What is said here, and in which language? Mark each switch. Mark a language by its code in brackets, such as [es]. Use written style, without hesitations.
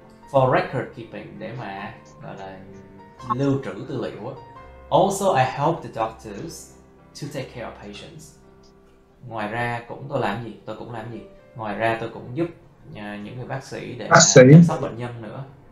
[en] For record keeping, [vi] để mà gọi là lưu trữ tư liệu. [en] Also, I help the doctors to take care of patients. [vi] Ngoài ra cũng tôi làm gì? Ngoài ra tôi cũng giúp những người bác sĩ để chăm sóc bệnh nhân nữa.